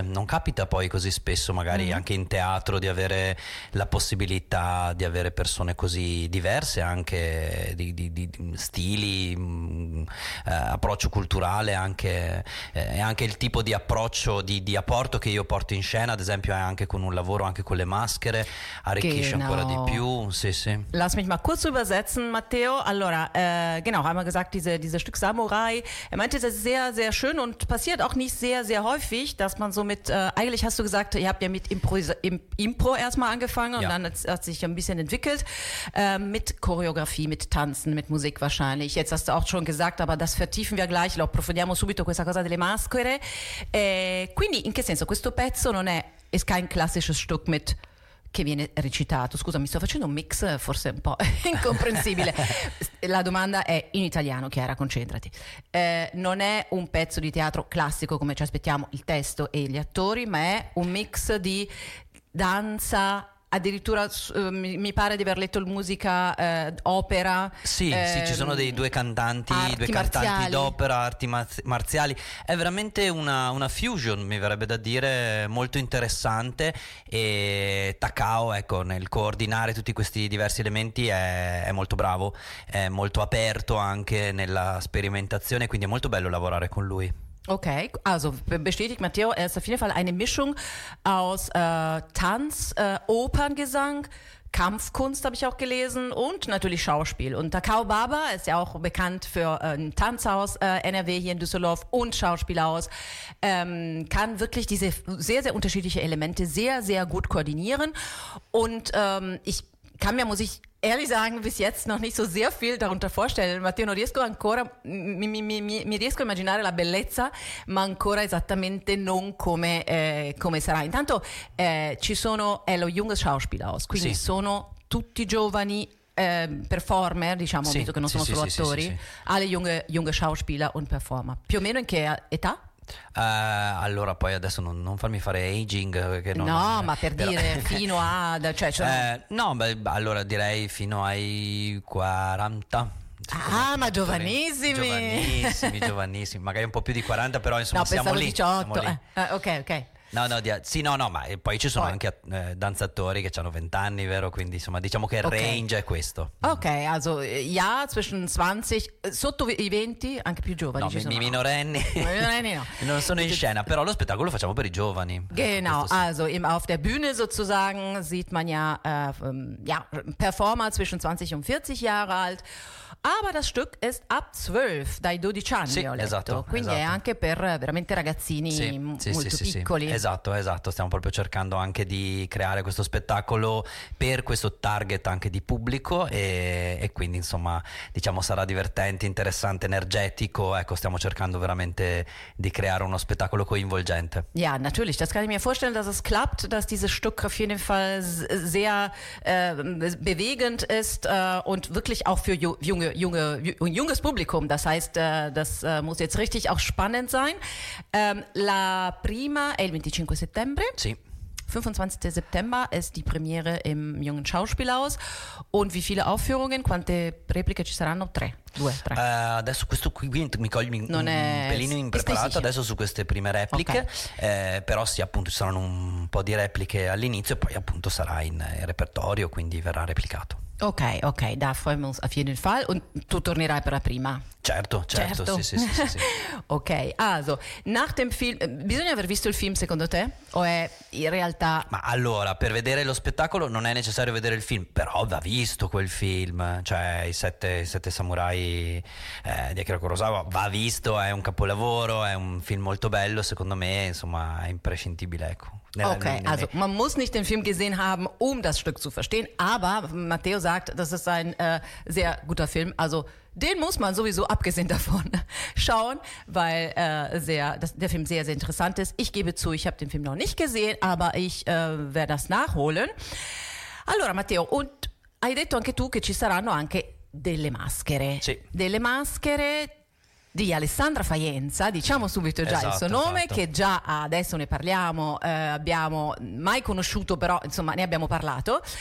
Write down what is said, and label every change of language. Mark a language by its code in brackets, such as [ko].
[it] Non capita poi così spesso, magari anche in teatro, di avere la possibilità di avere persone così diverse, anche di stili, approccio culturale, anche il tipo di approccio di apporto che io porto in scena, ad esempio, è anche con un lavoro anche con le maschere, arricchisce ancora di più. Sì, sì. [de] Lass mich mal kurz übersetzen, Matteo. Allora, genau, haben wir gesagt, diese Stück Samurai. Er meinte, das ist sehr, sehr schön und passiert auch nicht sehr, sehr häufig, dass man so mit, eigentlich hast du gesagt, ihr habt ja mit Impro erstmal angefangen und ja. Dann hat sich ein bisschen entwickelt, mit Choreografie, mit Tanzen, mit Musik wahrscheinlich. Jetzt hast du auch schon gesagt, aber das vertiefen wir gleich, [it] lo approfondiamo subito questa cosa delle maschere. Quindi, in che senso, questo pezzo non è, [de] ist kein klassisches Stück mit, [it] che viene recitato? Scusa, mi sto facendo un mix forse un po' incomprensibile. La domanda è in italiano, Chiara, concentrati. Non è un pezzo di teatro classico, come ci aspettiamo, il testo e gli attori, ma è un mix di danza, addirittura mi pare di aver letto musica, opera. Sì, sì, ci sono dei due cantanti, due cantanti marziali. D'opera, arti marziali. È veramente una fusion, mi verrebbe da dire, molto interessante. E Takao, ecco, nel coordinare tutti questi diversi elementi è molto bravo, è molto aperto anche nella sperimentazione, quindi è molto bello lavorare con lui. [de] Okay, also bestätigt Matteo, er ist auf jeden Fall eine Mischung aus Tanz, Operngesang, Kampfkunst, habe ich auch gelesen, und natürlich Schauspiel. Und Takao Baba ist ja auch bekannt für ein Tanzhaus NRW hier in Düsseldorf und Schauspielhaus, kann wirklich diese sehr, sehr unterschiedlichen Elemente sehr, sehr gut koordinieren. Und ich kann mir, muss ich ehrlich sagen, bis jetzt noch nicht so sehr viel darunter vorstellen. [it] Matteo, non riesco ancora, mi riesco a immaginare la bellezza, ma ancora esattamente non come, come sarà. Intanto ci sono, è lo junges Schauspielhaus, quindi sì. Sono tutti giovani performer, diciamo, sì, visto che non sì, sono sì, solo sì, attori, sì, sì, sì. [de] Alle junge Schauspieler und Performer. [it] Più o meno in che età? Allora, poi adesso non farmi fare aging, perché non, no, non, ma per però, dire fino a cioè, no, beh, allora direi fino ai 40. Ah, ma giovanissimi. Giovanissimi, giovanissimi, magari un po' più di 40, però insomma, no, siamo lì. 18. Siamo lì. Ok. No, no, sì, no, no, ma poi ci sono anche danzatori che hanno 20 anni, vero? Quindi insomma, diciamo che il range è questo. [de] Ok, also ja, zwischen 20, [it] sotto i 20, anche più giovani. No, ci sono. Minorenni. Minorenni no. Non sono in scena, però lo spettacolo lo facciamo per i giovani. Genau, sì. [de] Also auf der Bühne sozusagen sieht man ja, ja Performer zwischen 20 und 40 Jahre alt. Aber das Stück ist ab 12, [it] dai 12 anni, ho letto. Esatto, quindi esatto. È anche per veramente ragazzini piccoli. Sì. Esatto, esatto. Stiamo proprio cercando anche di creare questo spettacolo per questo target anche di pubblico e quindi, insomma, diciamo, sarà divertente, interessante, energetico. Ecco, stiamo cercando veramente di creare uno spettacolo coinvolgente. [de] Ja, natürlich. Das kann ich mir vorstellen, dass es klappt, dass dieses Stück auf jeden Fall sehr bewegend ist und wirklich auch für junges Publikum, das heißt, das muss jetzt richtig auch spannend sein. [it] La prima è il 25 settembre. Sì. 25. [de] September ist die Premiere im Jungen Schauspielhaus. Und wie viele Aufführungen? [it] Quante repliche ci saranno? Tre. Due, tre. Adesso questo qui mi coglie un pelino impreparato adesso su queste prime repliche. Okay. Però sì, appunto ci saranno un po' di repliche all'inizio e poi appunto sarà in repertorio, quindi verrà replicato. [de] Ok, ok, da freuen wir uns auf jeden Fall. [it] Und tu tornerai per la prima? Certo, certo, certo. Sì, sì, sì, sì. [de] Ok, also, nach dem Film, [it] bisogna aver visto il film secondo te? O è in realtà... Ma allora, per vedere lo spettacolo non è necessario vedere il film, però va visto quel film, cioè i sette samurai di Akira Kurosawa, va visto, è un capolavoro, è un film molto bello, secondo me, insomma, è imprescindibile, ecco. [de] Okay, also man muss nicht den Film gesehen haben, um das Stück zu verstehen, aber Matteo sagt, das ist ein sehr guter Film, also den muss man sowieso abgesehen davon schauen, weil der Film sehr, sehr interessant ist. Ich gebe zu, ich habe den Film noch nicht gesehen, aber ich werde das nachholen. [it] Allora Matteo, und hai detto anche tu che ci saranno anche delle maschere. Sì. Delle maschere di Alessandra Faenza, diciamo subito già, esatto, il suo nome, esatto. Che già adesso ne parliamo, abbiamo mai conosciuto, però insomma ne abbiamo parlato.